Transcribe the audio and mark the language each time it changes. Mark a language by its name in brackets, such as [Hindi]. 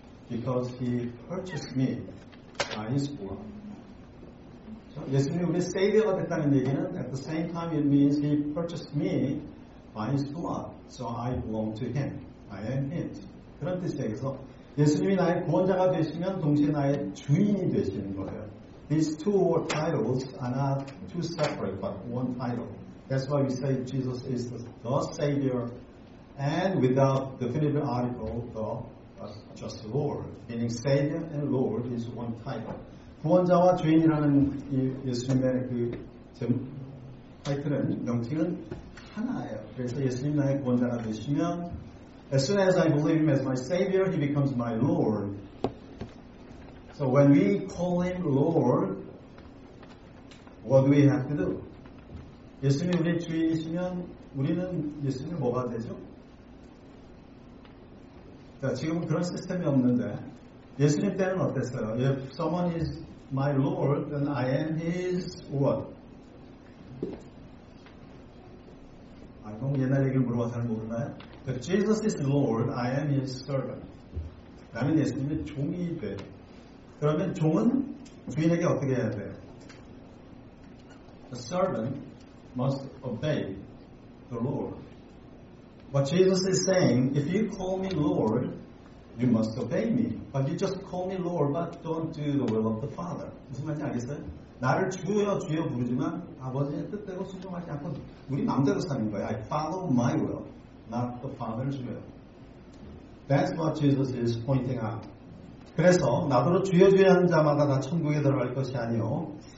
[English] Because he purchased me by his blood. So [Korean] 예수님 우리 세이비어가 됐다는 얘기는 [English] at the same time it means he purchased me by his blood. So I belong to him. I am his. [Korean] 그런 뜻에서 예수님이 나의 구원자가 되시면 동시에 나의 주인이 되시는 거예요. [English] These two word titles are not two separate but one title. That's why we say Jesus is the Savior and without definitive article, the just Lord. Meaning Savior and Lord is one title. [Korean] 구원자와 주인이라는 예수님의 그 타이틀은 명칭은 하나예요. 그래서 예수님 나의 구원자가 되시면 [English] As soon as I believe him as my Savior, he becomes my Lord. So when we call him Lord, what do we have to do? [Korean] 예수님이 우리 주인이시면 우리는 예수님이 뭐가 되죠? 자, 지금 그런 시스템이 없는데 예수님 때는 어땠어요? [English] If someone is my Lord, then I am his what? [Korean] 아, 그럼 옛날 얘기를 물어봐서 잘 모르나요? [English] If Jesus is Lord, I am his servant. [Korean] 나는 예수님의 종이 돼. 그러면 종은 주인에게 어떻게 해야 돼요? [English] A servant must obey the Lord. But Jesus is saying, if you call me Lord, you must obey me. But you just call me Lord, but don't do the will of the Father. [Korean] 무슨 말인지 알겠어요? 나를 주여 주여 부르지만 아버지의 뜻대로 순종하지 않고 우리 마음대로 사는 거예요. [English] I follow my will. Not the Father's will. That's what Jesus is pointing out. [Korean] 그래서 나더러 주여 주여 하는 자마다 다 천국에 들어갈 것이 아니오.